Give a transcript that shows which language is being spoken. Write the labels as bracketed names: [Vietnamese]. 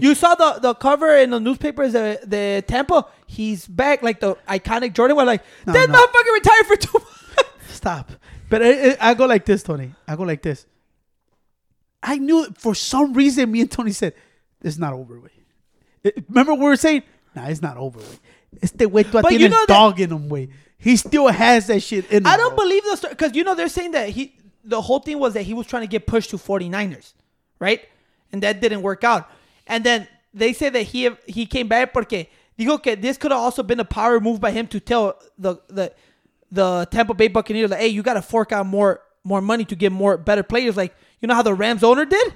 [English] You saw the cover in the newspapers, the Tampa. He's back. Like the iconic Jordan were like, motherfucker retired for 2 months. Stop. But I go like this, Tony. I go like this. I knew for some reason, me and Tony said, it's not over. Remember what we were saying? Nah, it's not over. [Spanish] Este güey todavía tiene [English] dog in him, [Spanish] güey. [English] He still has that shit in him. I don't believe the story. Because, you know, they're saying that the whole thing was that he was trying to get pushed to 49ers, right? And that didn't work out. And then they say that he came back [Spanish] porque dijo que [English] this could have also been a power move by him to tell the Tampa Bay Buccaneers, like, hey, you got to fork out more money to get more better players, like, you know how the Rams owner did?